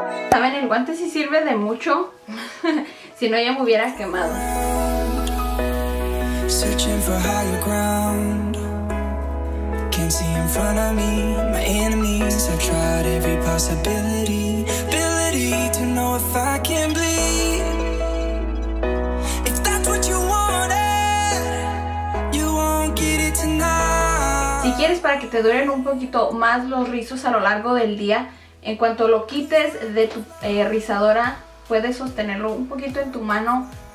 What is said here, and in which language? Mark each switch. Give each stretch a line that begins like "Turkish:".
Spanish: ¿Saben? El guante sí sirve de mucho. Si no, ya me hubiera quemado.
English: Searching for higher ground. Can't see in front of me, my enemies. I've tried every possibility, ability to know if I can bleed. If that's what you wanted, you won't get it tonight.
Spanish: Si quieres para que te duren un poquito más los rizos a lo largo del día, en cuanto lo quites de tu rizadora, puedes sostenerlo un poquito en tu mano.